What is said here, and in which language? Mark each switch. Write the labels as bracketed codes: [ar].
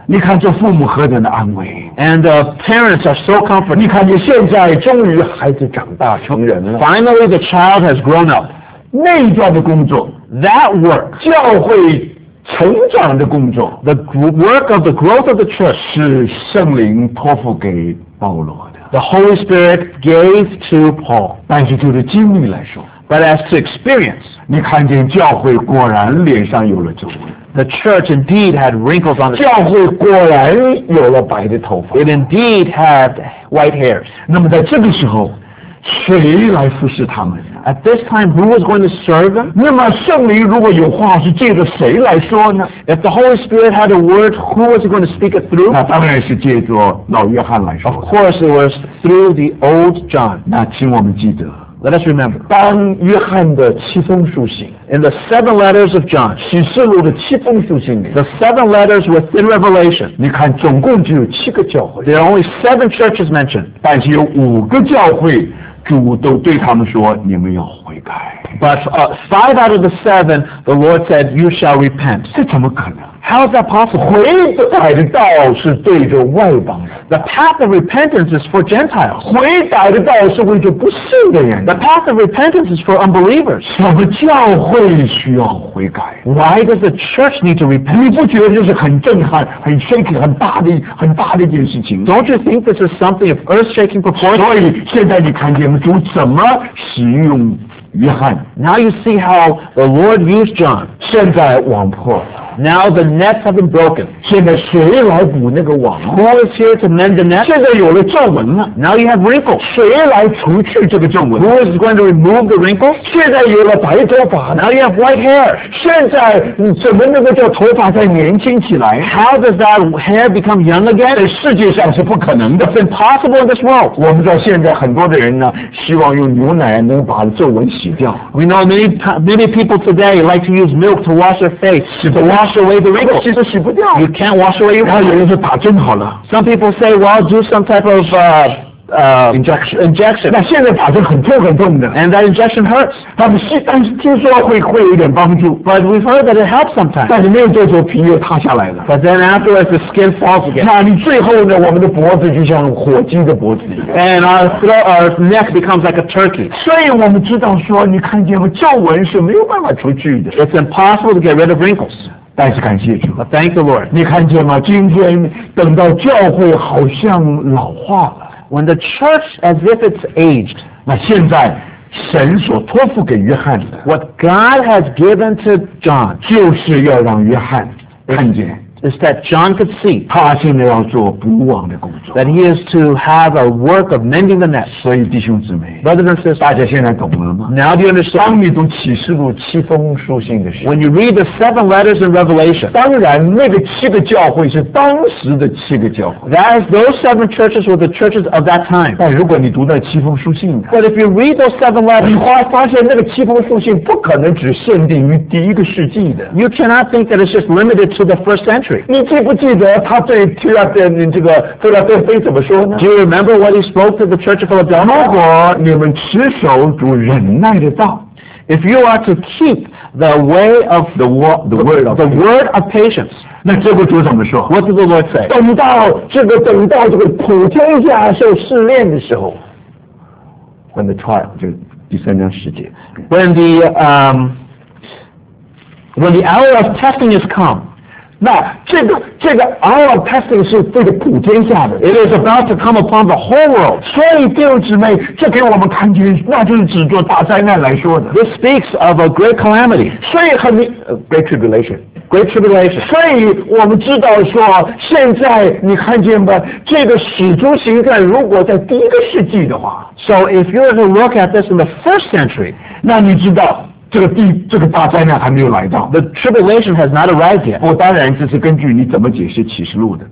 [zh] 你看这父母何等的安慰。 [en] And the parents are so comforted. [zh] 你看见现在终于孩子长大成人了。 [en] Finally, the child has grown up. [zh] 那一段的工作。 [en] That work. [zh] 教会成长的工作。 [en] The work of the growth of the church. [zh] 是圣灵托付给保罗的。 [en] The Holy Spirit gave to Paul. [zh] 但是就是经历来说。 [en] But as to experience, [zh] 你看见教会果然脸上有了皱纹。 [en] The church indeed had wrinkles on the [zh] 教会果然有了白的头发。 [en] It indeed had white hairs. [zh] 那么在这个时候，谁来服侍他们？ [en] At this time, who was going to serve them? [zh] 那么圣灵如果有话是借着谁来说呢？ [en] If the Holy Spirit had a word, who was going to speak it through? [zh] 那当然是借着老约翰来说。 [en] Of course, it was through the old John. [zh] 那请我们记得。 [en] Let us remember. [zh] 当约翰的七封书信 [en] In the seven letters of John. [zh] 启示录的七封书信里 [en] The seven letters within Revelation. [zh] 你看总共只有七个教会 [en] There are only seven churches mentioned. [zh] 但是有五个教会主都对他们说你们要悔改 [en] But five out of the seven, the Lord said, you shall repent. [zh] 这怎么可能 [en] How is that possible? [zh] 悔改的道是对着外邦人。 [en] The path of repentance is for Gentiles. [zh] 悔改的道是为着不信的人。 [en] The path of repentance is for unbelievers. [zh] 什么教会需要悔改？ [en] Why does the church need to repent? [zh] 你不觉得这是很震撼、很 shaking、很大的一件事情？ [en] Don't you think this is something of earth-shaking proportion? [zh] 所以现在你看见主怎么使用约翰？ [en] Now you see how the Lord used John. [zh] 现在网破了。 [en] Now the nets have been broken. [zh] 现在谁来补那个网 [en] Who is here to mend the net? [zh] 现在有了皱纹了 [en] Now you have wrinkles. [zh] 谁来除去这个皱纹 [en] Who is going to remove the wrinkles? [zh] 现在有了白头发 [en] Now you have white hair. [zh] 现在怎么那个叫头发再年轻起来 [en] How does that hair become young again? [zh] 在世界上是不可能的 [en] It's impossible in this world. [zh] 我们知道现在很多的人呢希望用牛奶能把皱纹洗掉 [en] We know many people today like to use milk to wash their face. [zh] 是的 [en] wash away the wrinkles. [zh] 其实洗不掉。 [en] You can't wash away your wrinkles. [zh] 然后有人说打针好了。 [en] Some people say, well, do some type of, injection. [zh] 那现在打针很痛很痛的。 [en] And that injection hurts. [zh] 但是听说会有点帮助。 [en] But we've heard that it helps sometimes. [zh] 但是没有多久皮又塌下来了。 [en] But then afterwards the skin falls again. [zh] 那你最后呢我们的脖子就像火鸡的脖子一样。 [en] And our neck becomes like a turkey. [zh] 所以我们知道说你看见吗皱纹是没有办法除去的。 [en] It's impossible to get rid of wrinkles. [zh] 但是感谢主 [en] But thank the Lord. [zh] 你看见吗今天等到教会好像老化了 [en] When the church as if it's aged [zh] 那现在神所托付给约翰的 [en] What God has given to John [zh] 就是要让约翰看见 [en] Is that John could see [zh] 他现在要做补网的工作 [en] That he is to have a work of mending the net [zh] 所以弟兄姊妹 [en] Brothers and sisters [zh] 大家现在懂了吗 [en] Now do you understand [zh] 当你读启示录七封书信的时候 [en] When you read the seven letters in Revelation [zh] 当然那个七个教会是当时的七个教会 [en] That is those seven churches were the churches of that time [zh] 但如果你读那七封书信 [en] But if you read those seven letters [zh] 你发现那个七封书信不可能只限定于第一个世纪的 [en] You cannot think that it's just limited to the first century [zh] 你记不记得他对提拉德这个提拉德菲怎么说呢 [en] Do you remember what he spoke to the church of Philadelphia? [zh] 如果你们持守主忍耐的道 [en] If you are to keep the way of the word of patience [zh] 那这个主怎么说 [en] What did the Lord say? [zh] 等到这个普天下受试炼的时候 [en] When the trial [zh] 就第三章十节 [en] When the hour of testing has come [zh] 那这个 [en] hour of testing [zh] 是对着普天下的 [en] It is about to come upon the whole world [zh] 所以弟兄姊妹这给我们看见那就是指着大灾难来说的 [en] This speaks of a great calamity [zh] 所以很 [en] Great tribulation [zh] 所以我们知道说现在你看见吧这个使徒行传如果在第一个世纪的话 [en] So if you were to look at this in the first century [zh] 那你知道这个大灾难还没有来到。 [en] The tribulation has not arrived yet. [zh] 不，当然这是根据你怎么解释启示录的。